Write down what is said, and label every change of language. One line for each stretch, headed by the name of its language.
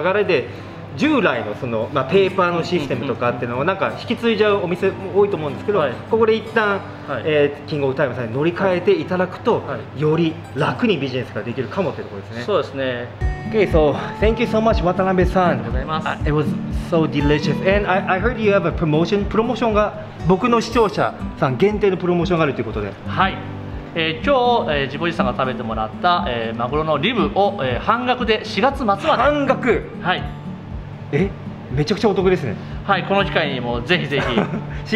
Japanese: はいはい、従来 の, その、まあ、ペーパーのシステムとかっていうのをなんか引き継いじゃうお店も多いと思うんですけど、はい、ここで一旦、はい、キングオブタイムさんに乗り換えていただくと、はいはい、より楽にビジネスができるかもというところですね。そうですね。
English: Okay, so thank you so much 渡辺さん。
Japanese: ありがとうございます。
English: It was so delicious and I heard you have a promotion。
Japanese: プロモーションが、僕の視聴者さん限定のプロモーションがあるということで、はい、今日、ジボジさんが食べてもらった、マグロのリブを、半額で4月末まで半額、はい、え、めちゃくちゃお得ですね。はい、この機会にもぜひぜひ